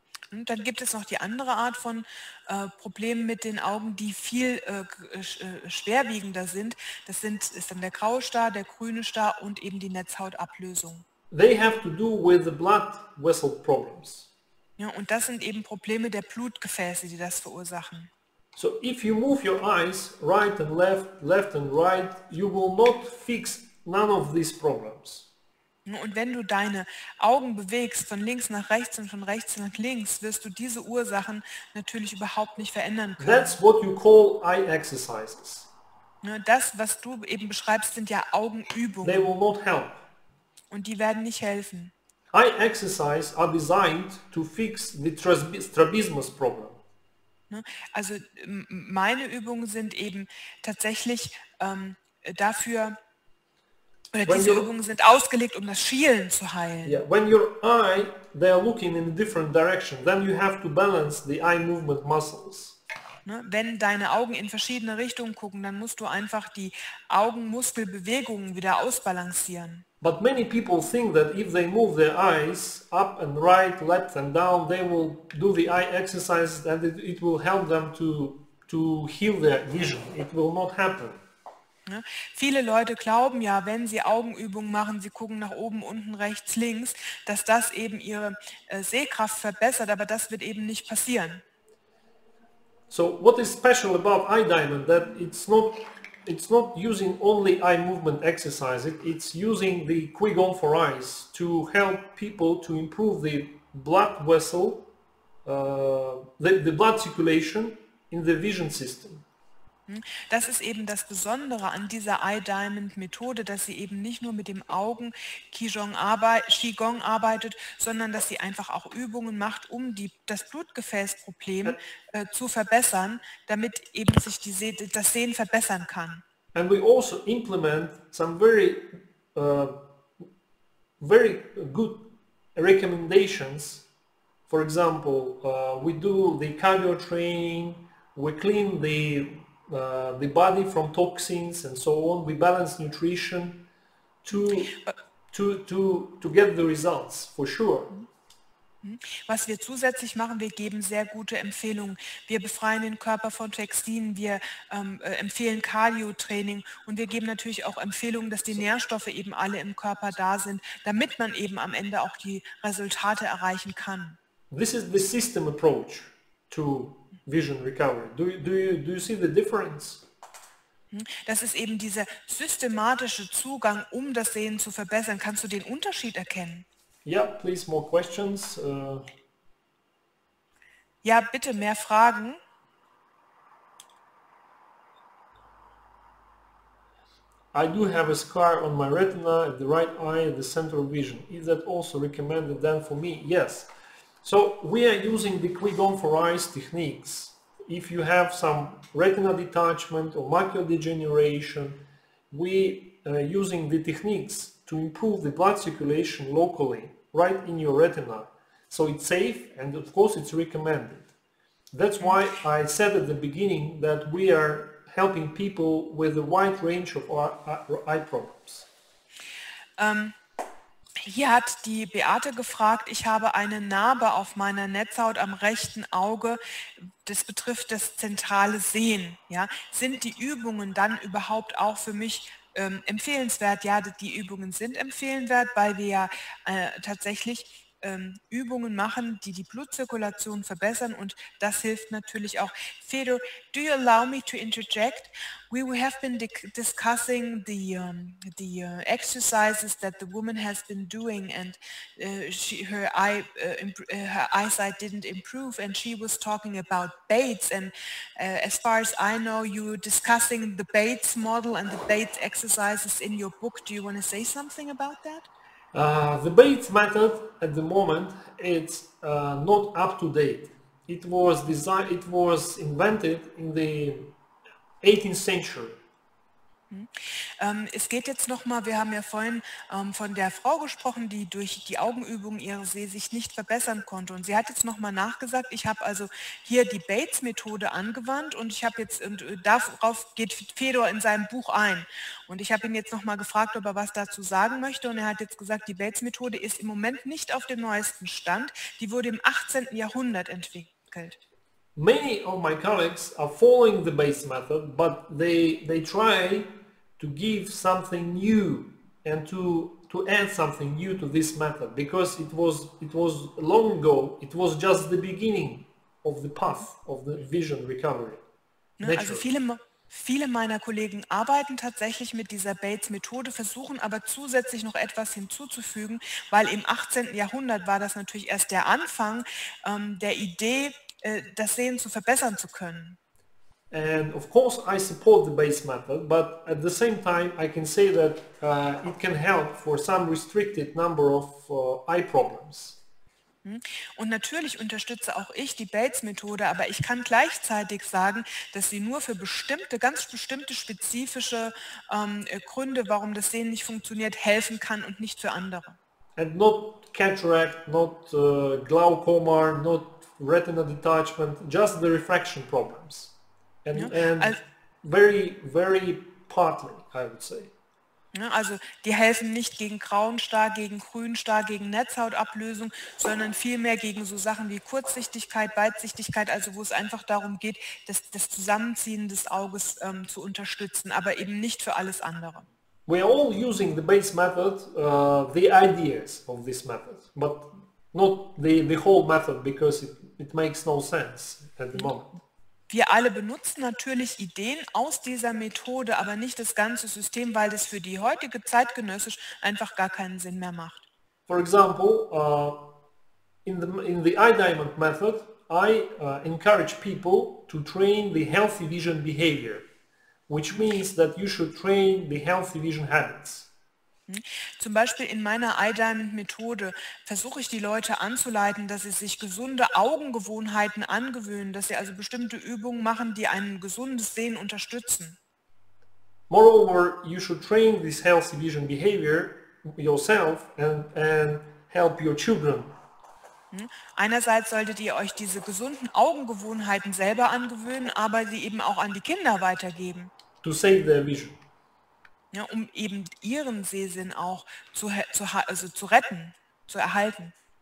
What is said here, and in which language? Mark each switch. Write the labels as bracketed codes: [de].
[de] Und dann gibt es noch die andere Art von Problemen mit den Augen, die viel schwerwiegender sind. Ist dann der graue Star, der grüne Star und eben die Netzhautablösung. [en] They have to do with the blood vessel problems. [de] Ja, und das sind eben Probleme der Blutgefäße, die das verursachen. [en] So if you move your eyes right and left, left and right, you will not fix none of these problems. [de] Und wenn du deine Augen bewegst von links nach rechts und von rechts nach links, wirst du diese Ursachen natürlich überhaupt nicht verändern können. [en] That's what you call eye exercises. [de] Das, was du eben beschreibst, sind ja Augenübungen. [en] They will not help. [de] Und die werden nicht helfen. [en] Eye exercises are designed to fix the strabismus problem. [de] Also meine Übungen sind eben tatsächlich dafür, oder diese Übungen sind ausgelegt, um das Schielen zu heilen. [en] Yeah. When your eye, they are looking in a different direction, then you have to balance the eye movement muscles. [de] Wenn deine Augen in verschiedene Richtungen gucken, dann musst du einfach die Augenmuskelbewegungen wieder ausbalancieren. [en] But many people think that if they move their eyes up and right, left and down, they will do the eye exercises and it will help them to heal their vision. It will not happen. [de] Viele Leute glauben ja, wenn sie Augenübungen machen, sie gucken nach oben, unten, rechts, links, dass das eben ihre Sehkraft verbessert, aber das wird eben nicht passieren. [en] So what is special about iDiamond, that it's not using only eye movement exercise, it's using the Qigong for eyes to help people to improve the blood vessel, the blood circulation in the vision system. [de] Das ist eben das Besondere an dieser iDiamond-Methode, dass sie eben nicht nur mit dem Augen Qigong arbeitet, sondern dass sie einfach auch Übungen macht, um das Blutgefäßproblem zu verbessern, damit eben sich das Sehen verbessern kann. [en] And we also implement some very, very good recommendations. For example, we do the cardio training, we clean the body from toxins and so on, we balance nutrition to get the results for sure. [de] Was wir zusätzlich machen, wir geben sehr gute Empfehlungen. Wir befreien den Körper von Toxinen, wir empfehlen Cardio-Training und wir geben natürlich auch Empfehlungen, dass die Nährstoffe eben alle im Körper da sind, damit man eben am Ende auch die Resultate erreichen kann. [en] This is the system approach to vision recovery. Do you see the difference? [de] Das ist eben dieser systematische Zugang, um das Sehen zu verbessern. Kannst du den Unterschied erkennen? [en] Yeah, please, more questions. [de] Ja, bitte mehr Fragen. [en] I do have a scar on my retina, the right eye, the central vision. Is that also recommended then for me? Yes. So we are using the Qigong for eyes techniques. If you have some retinal detachment or macular degeneration, we are using the techniques to improve the blood circulation locally, right in your retina. So it's safe and of course it's recommended. That's why I said at the beginning that we are helping people with a wide range of eye problems. [de] Hier hat die Beate gefragt, ich habe eine Narbe auf meiner Netzhaut am rechten Auge. Das betrifft das zentrale Sehen. Ja? Sind die Übungen dann überhaupt auch für mich empfehlenswert? Ja, die Übungen sind empfehlenswert, weil wir ja tatsächlich Übungen machen, die die Blutzirkulation verbessern und das hilft natürlich auch. [en] Fedor, do you allow me to interject? We have been discussing the exercises that the woman has been doing and her eyesight didn't improve and she was talking about Bates and as far as I know you were discussing the Bates model and the Bates exercises in your book. Do you want to say something about that? The Bates method at the moment it's not up to date. It was invented in the 18th century. [de] Es geht jetzt nochmal, wir haben ja vorhin von der Frau gesprochen, die durch die Augenübung ihre Sehsicht nicht verbessern konnte. Und sie hat jetzt nochmal nachgesagt, ich habe also hier die Bates-Methode angewandt und ich habe jetzt, und darauf geht Fedor in seinem Buch ein. Und ich habe ihn jetzt nochmal gefragt, ob er was dazu sagen möchte. Und er hat jetzt gesagt, die Bates-Methode ist im Moment nicht auf dem neuesten Stand. Die wurde im 18. Jahrhundert entwickelt. [en] Many of my colleagues are following the Bates method, but they try to give something new and to add something new to this method, because it was long ago, it was just the beginning of the path of the vision recovery. [de] Also viele meiner Kollegen arbeiten tatsächlich mit dieser Bates-Methode, versuchen aber zusätzlich noch etwas hinzuzufügen, weil im 18. Jahrhundert war das natürlich erst der Anfang der Idee, das Sehen zu verbessern zu können. [en] And of course I support the Bates method, but at the same time I can say that it can help for some restricted number of eye problems. [de] Und natürlich unterstütze auch ich die Bates-Methode, aber ich kann gleichzeitig sagen, dass sie nur für bestimmte, ganz bestimmte spezifische Gründe, warum das Sehen nicht funktioniert, helfen kann und nicht für andere. [en] And not cataract, not glaucoma, not retina detachment, just the refraction problems. And, ja, and very, very partly, I would say. [de] Also die helfen nicht gegen grauen Star, gegen grünen Star, gegen Netzhautablösung, sondern vielmehr gegen so Sachen wie Kurzsichtigkeit, Weitsichtigkeit, also wo es einfach darum geht, das Zusammenziehen des Auges zu unterstützen, aber eben nicht für alles andere. [en] We are all using the base method, the ideas of this method, but not the whole method, because it makes no sense at the moment. [de] Wir alle benutzen natürlich Ideen aus dieser Methode, aber nicht das ganze System, weil das für die heutige zeitgenössisch einfach gar keinen Sinn mehr macht. [en] For example, in the eye diamond method, I encourage people to train the healthy vision behavior, which means that you should train the healthy vision habits. [de] Zum Beispiel in meiner iDiamond-Methode versuche ich die Leute anzuleiten, dass sie sich gesunde Augengewohnheiten angewöhnen, dass sie also bestimmte Übungen machen, die ein gesundes Sehen unterstützen. [en] Moreover, you should train this healthy vision behavior yourself and help your children. [de] Einerseits solltet ihr euch diese gesunden Augengewohnheiten selber angewöhnen, aber sie eben auch an die Kinder weitergeben. [en] To save their vision. [de] Ja, um eben ihren Sehsinn auch zu retten, zu erhalten.